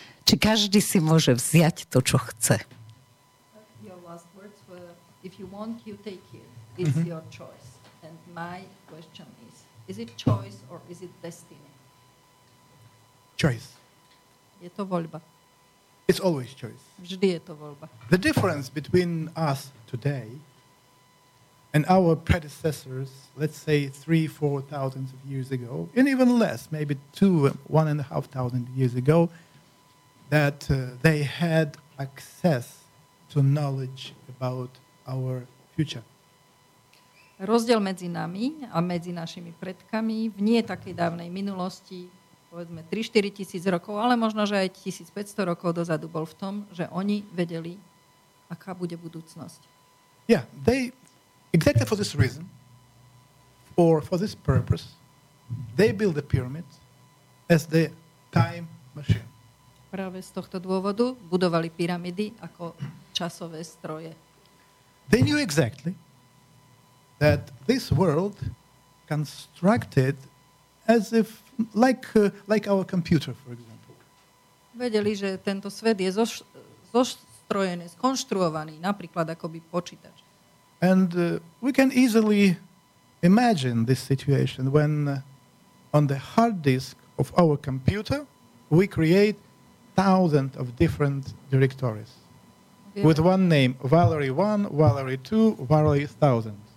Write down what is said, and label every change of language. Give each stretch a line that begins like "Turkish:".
Slovak: Či každý si môže vziať to, čo chce.
English: Your last words were, if you want, you take it. It's mm-hmm. your choice. And my question is it choice or is it destiny? Choice.
Slovak: Je to voľba.
English: It's always choice.
Slovak: Vždy je to voľba.
English: The difference between us today and our predecessors, let's say 3,000-4,000 years ago, and even less, maybe 2,000-1,500 years ago, that they had access to knowledge about our future.
Slovak: Rozdiel medzi nami a medzi našimi predkami v nie takej dávnej minulosti, povedzme 3-4 tisíc rokov, ale možno, že aj 1500 rokov dozadu bol v tom, že oni vedeli, aká bude budúcnosť.
English: Yeah, they, exactly for this reason, or for this purpose, they build the pyramid as the time machine.
Slovak: Práve z tohto dôvodu budovali pyramidy ako časové stroje.
English: They knew exactly that this world constructed as if like our computer, for example.
Slovak: Vedeli, že tento svet je zostrojený, skonštruovaný, napríklad ako by počítač.
English: And we can easily imagine this situation when on the hard disk of our computer we create thousands of different directories with one name, Valerij 1, Valerij 2, Valerij 1000.